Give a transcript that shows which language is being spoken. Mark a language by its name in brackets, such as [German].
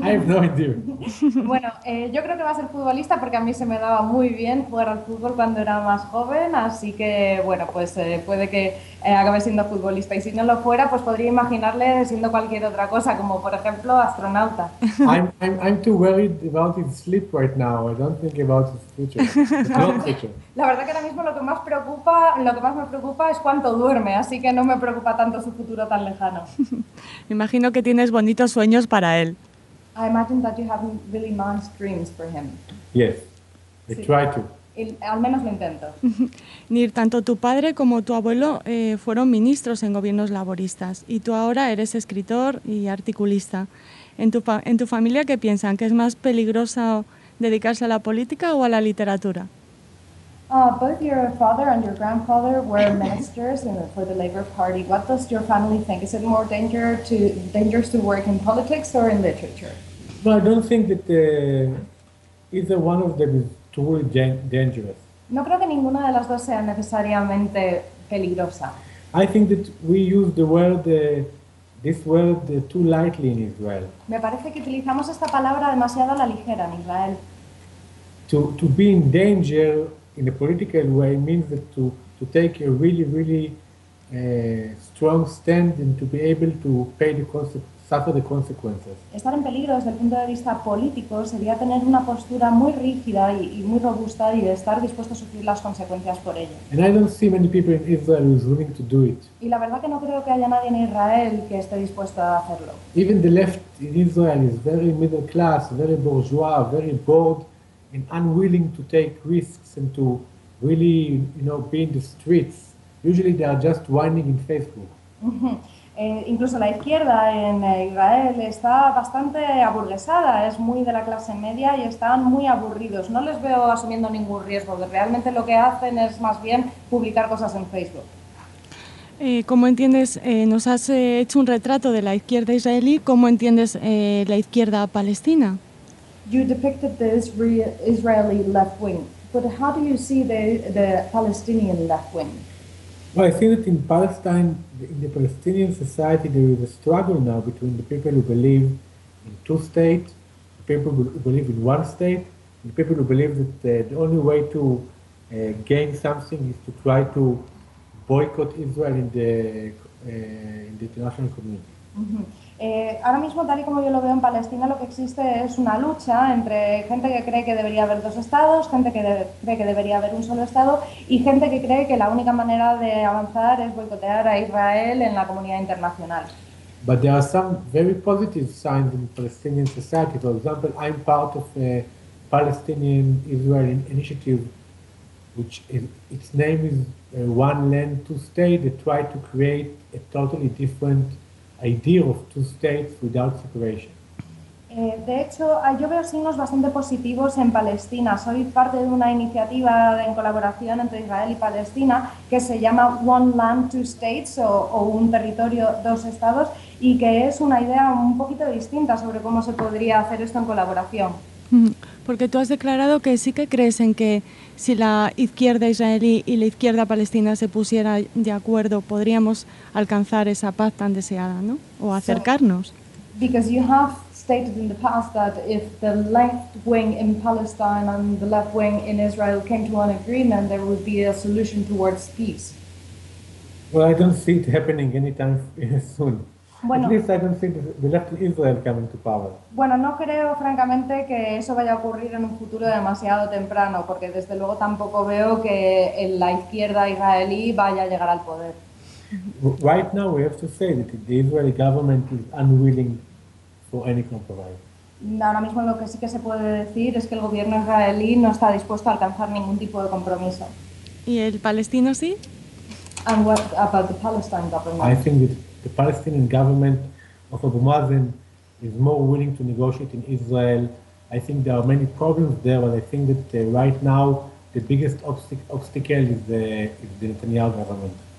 [Spanish] Bueno, yo creo que va a ser futbolista porque a mí se me daba muy bien jugar al fútbol cuando era más joven, así que bueno, pues puede que acabe siendo futbolista, y si no lo fuera, pues podría imaginarle siendo cualquier otra cosa, como por ejemplo astronauta. [English] I'm too worried about his sleep right now. I don't think about his future. [Spanish] La verdad que ahora mismo lo que más me preocupa es cuánto duerme, así que no me preocupa tanto su futuro tan lejano. Imagino que tienes bonitos sueños para él. [English] I imagine that you have really nice dreams for him. Yes, I try to. [Spanish] Al menos lo intento. Nir, tanto tu padre como tu abuelo fueron ministros en gobiernos laboristas y tú ahora eres escritor y articulista. ¿En tu familia qué piensan? ¿Qué es más peligroso, dedicarse a la política o a la literatura? [English] Both your father and your grandfather were ministers for the Labour Party. What does your family think? Is it more dangerous to work in politics or in literature? No, I don't think that either one of them is truly dangerous. [Spanish] No creo que ninguna de las dos sea necesariamente peligrosa. [English] I think that we use the word too lightly in Israel. [Spanish] Me parece que utilizamos esta palabra demasiado a la ligera en Israel. [English] To be in danger in a political way means that to take a really, really strong stand and to be able to pay the consequences. suffer the consequences. [Spanish] Estar en peligro desde el punto de vista político sería tener una postura muy rígida y muy robusta y de estar dispuesto a sufrir las consecuencias por ello. [English] And I don't see many people in Israel who's willing to do it. [Spanish] Y la verdad que no creo que haya nadie en Israel que esté dispuesto a hacerlo. [English] Even the left in Israel is very middle class, very bourgeois, very bored and unwilling to take risks and to really, you know, be in the streets. Usually they are just whining in Facebook. [Spanish] Incluso la izquierda en Israel está bastante aburguesada, es muy de la clase media y están muy aburridos. No les veo asumiendo ningún riesgo, realmente lo que hacen es más bien publicar cosas en Facebook. ¿Cómo entiendes, nos has hecho un retrato de la izquierda israelí, cómo entiendes la izquierda palestina? [English] You depicted the Israeli left wing, but how do you see the Palestinian left wing? Well, I think that in Palestine, in the Palestinian society, there is a struggle now between the people who believe in two states, the people who believe in one state, and the people who believe that the only way to gain something is to try to boycott Israel in the international community. Mm-hmm. [Spanish] Ahora mismo, tal y como yo lo veo en Palestina, lo que existe es una lucha entre gente que cree que debería haber dos estados, gente que cree que debería haber un solo estado y gente que cree que la única manera de avanzar es boicotear a Israel en la comunidad internacional. [English] But there are some very positive signs in Palestinian society. For example, I'm part of a Palestinian-Israeli initiative, which is, its name is One Land, Two States. They try to create a totally different idea of two states without separation. [Spanish] De hecho, yo veo signos bastante positivos en Palestina. Soy parte de una iniciativa en colaboración entre Israel y Palestina que se llama One Land, Two States, o un territorio, dos estados, y que es una idea un poquito distinta sobre cómo se podría hacer esto en colaboración. Porque tú has declarado que sí que crees en que si la izquierda israelí y la izquierda palestina se pusieran de acuerdo, podríamos alcanzar esa paz tan deseada, ¿no? O acercarnos. [English] Because you have stated in the past that if the left wing in Palestine and the left wing in Israel came to an agreement, there would be a solution towards peace. Well, I don't see it happening anytime soon. [Spanish] Bueno, [English] at least I don't think the left of Israel coming to power. [Spanish] Bueno, no creo francamente que eso vaya a ocurrir en un futuro demasiado temprano, porque desde luego tampoco veo que en la izquierda israelí vaya a llegar al poder. [English] Right now we have to say that the Israeli government is unwilling for any compromise. [Spanish] Ahora mismo lo que sí que se puede decir es que el gobierno israelí no está dispuesto a alcanzar ningún tipo de compromiso. ¿Y el palestino sí? [English] And what about the Palestine government? I think that the Palestinian government of Abu Mazen is more willing to negotiate in Israel. I think there are many problems there, but I think that right now the biggest obstacle is the Netanyahu government.